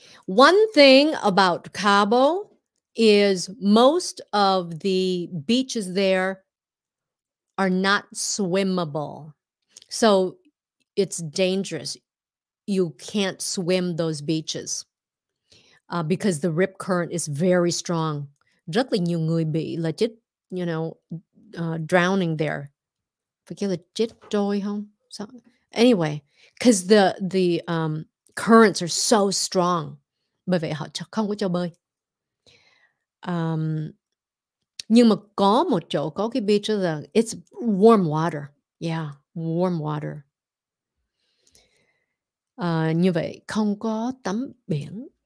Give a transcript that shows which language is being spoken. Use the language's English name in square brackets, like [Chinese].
[English] One thing about Cabo is most of the beaches there are not swimmable. So it's dangerous. You can't swim those beaches because the rip current is very strong. [Vietnamese] Rất là nhiều người bị là chết, [English] you know, drowning there. [Vietnamese] Phải kêu là chết trôi không? [English] So, anyway, because the currents are so strong. [Vietnamese] Bởi vậy họ không có cho bơi. Nhưng mà có một chỗ, có cái beach là [English] it's warm water. Yeah, warm water. [Vietnamese] Như vậy, không có tắm biển.